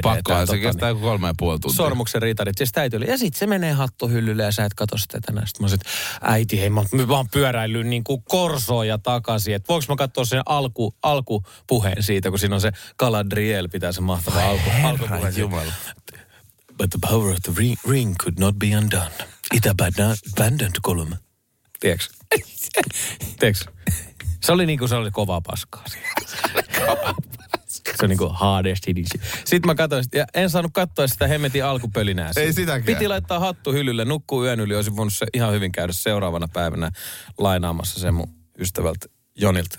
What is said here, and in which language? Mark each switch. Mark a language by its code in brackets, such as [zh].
[fi] Pakkohan se kestää niin, 3,5 tuntia. Sormuksen ritarit. Siis täytyy olla. Ja sitten se menee hattuhyllylle ja sä et kato sitä tänään. Sitten mä sanoin, äiti, hei, mä niin kuin Korsoon ja takaisin. Että voinko mä katsoa sen alkupuheen siitä, kun siinä on se Galadriel pitää sen mahtava alkupuheen. Jumala. [en] But the power of the ring could not be undone. It abandoned Gollum. [fi] Tiedätkö? Se oli niin kuin se oli kovaa paskaa. Se on niin kuin [en] hardest hitting. [fi] Sitten mä katsoin, ja en saanut katsoa sitä hemmetin alkupölinää. Ei sitäkään. Piti laittaa hattu hyllylle, nukkuu yön yli. Olisin voinut se ihan hyvin käydä seuraavana päivänä lainaamassa sen mun ystävältä Jonilta.